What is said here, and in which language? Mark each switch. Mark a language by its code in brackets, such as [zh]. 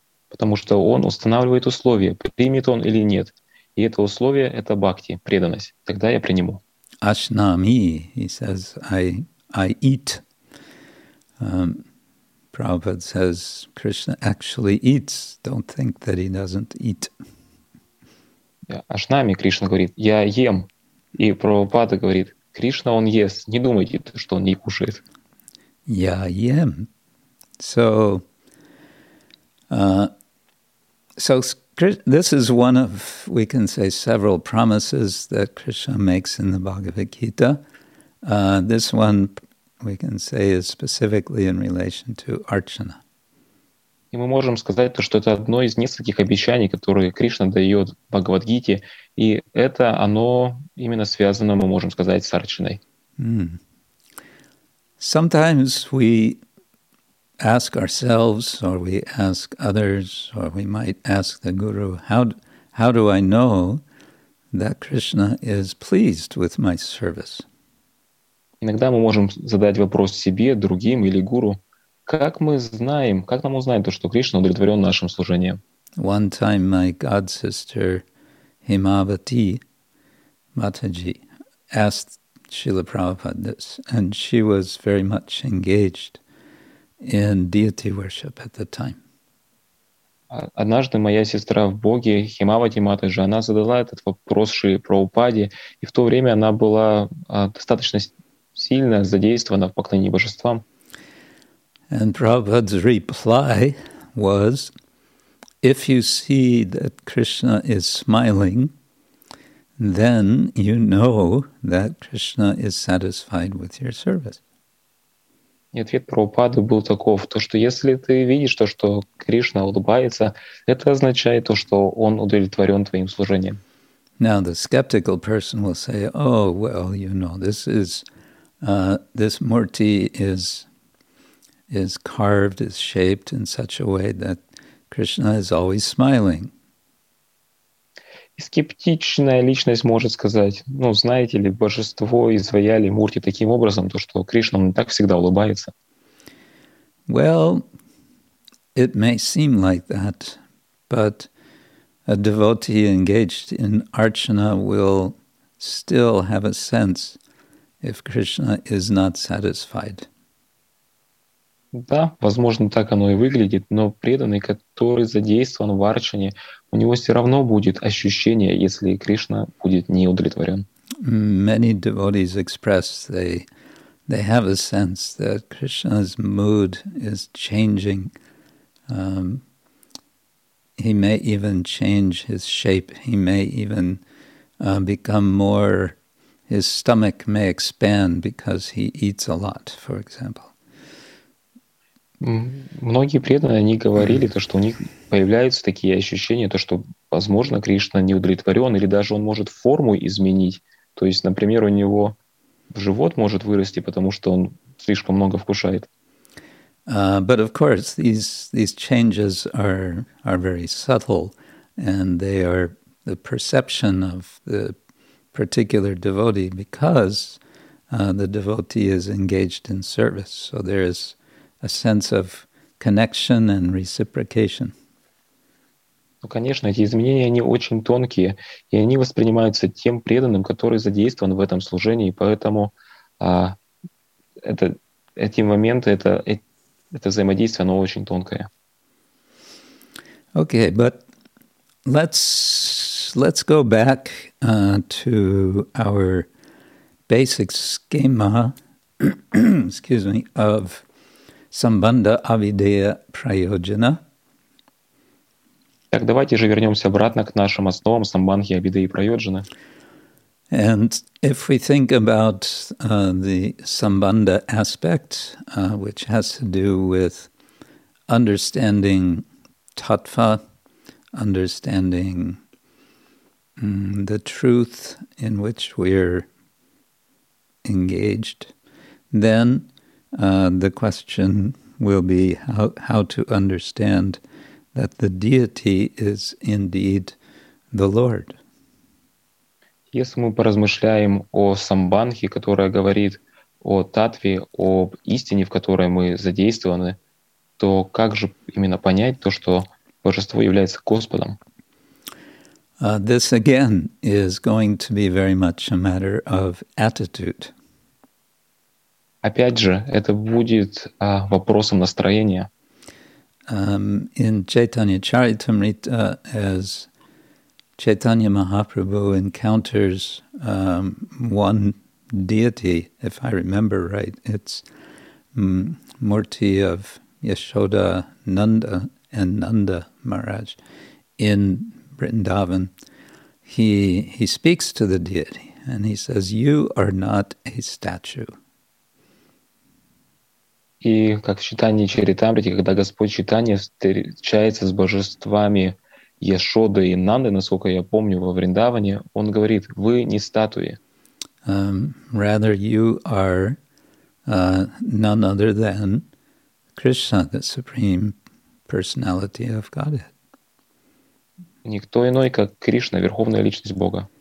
[ru] Потому что он устанавливает условия, примет он или нет. И это условие — это бхакти, преданность. Тогда я приму. [en] Ашнами, he says, I eat. Prabhupada says, Krishna actually eats. Don't think that he doesn't eat. [ru] Ашнами, Кришна говорит, я ем. И Прабхупада говорит, Кришна, он ест. Не думайте, что он не кушает. Я ем. [en] So this is one of, we can say, several promises that Krishna makes in the Bhagavad Gita. This one, we can say, is specifically in relation to Archana. [ru] И мы можем сказать то, что это одно из нескольких обещаний, которые Кришна дает в Бхагавад-гите, и это оно именно связано, мы можем сказать, с Арчаной. [en] Sometimes we ask ourselves, or we ask others, or we might ask the Guru, how do I know that Krishna is pleased with my service? [ru] Иногда мы можем задать вопрос себе, другим или Гуру, как мы знаем, как нам узнать то, что Кришна удовлетворен нашим служением? [en] One time my god sister Himavati Mataji asked Srila Prabhupada this, and she was very much engaged in deity worship at the time. [ru] Однажды моя сестра в Боге, Химавати Матаджи, она задала этот вопрос Шри Прабхупаде, и в то время она была достаточно сильно задействована в поклонении божествам. [en] And Prabhupada's reply was, if you see that Krishna is smiling, then you know that Krishna is satisfied with your service. [ru] И ответ Прабхупады был таков, то, что если ты видишь то, что Кришна улыбается, это означает то, что он удовлетворен твоим служением. [en] Now the skeptical person will say, oh, well, you know, this is, this murti is carved, is shaped in such a way that Krishna is always smiling. [ru] И скептичная личность может сказать, ну, знаете ли, божество изваяли мурти таким образом, то, что Кришна, он так всегда улыбается. [en] Well, it may seem like that, but a devotee engaged in archana will still have a sense if Krishna is not satisfied. [ru] Да, возможно, так оно и выглядит, но преданный, который задействован в арчане, у него все равно будет ощущение, если Кришна будет не удовлетворен. [en] Many devotees express they have a sense that Krishna's mood is changing. He may even change his shape. He may even become more. His stomach may expand because he eats a lot, for example. [ru] Многие преданные, они говорили, то, что у них появляются такие ощущения, то, что, возможно, Кришна не удовлетворен, или даже он может форму изменить. То есть, например, у него живот может вырасти, потому что он слишком много вкушает. [en] But of course, these changes are very subtle, and they are the perception of the particular devotee, because the devotee is engaged in service, so there is a sense of connection and reciprocation. [ru] Ну, конечно, эти изменения, они очень тонкие, и они воспринимаются тем преданным, который задействован в этом служении, поэтому эти моменты, это взаимодействие, оно очень тонкое. [en] Okay, but let's go back to our basic schema, excuse me, of Sambandha Avideya Prayojana. [ru] Так давайте же вернемся обратно к нашим основам Самбанхи Авидеи Прайоджана. [en] And if we think about the Sambandha aspect, which has to do with understanding tattva, understanding the truth in which we're engaged, then the question will be how to understand that the deity is indeed the Lord. [ru] Если мы поразмышляем о самбанхе, которая говорит о татве, об истине, в которой мы задействованы, то как же именно понять то, что Божество является Господом? [en] This again is going to be very much a matter of attitude. [ru] Опять же, это будет вопросом настроения. [en] In Chaitanya Charitamrita, as Chaitanya Mahaprabhu encounters one deity, if I remember right, it's Murti of Yashoda Nanda and Nanda Maharaj in Vrindavan. He speaks to the deity and he says, "You are not a statue." [ru] И как в Читании Чаритамрите, когда Господь Читания встречается с божествами Яшоды и Нанды, насколько я помню, во Вриндаване, он говорит: «Вы не статуи». [en] Rather, you are none other than Krishna, the supreme personality of Godhead. [ru] Никто иной, как Кришна, верховная личность Бога.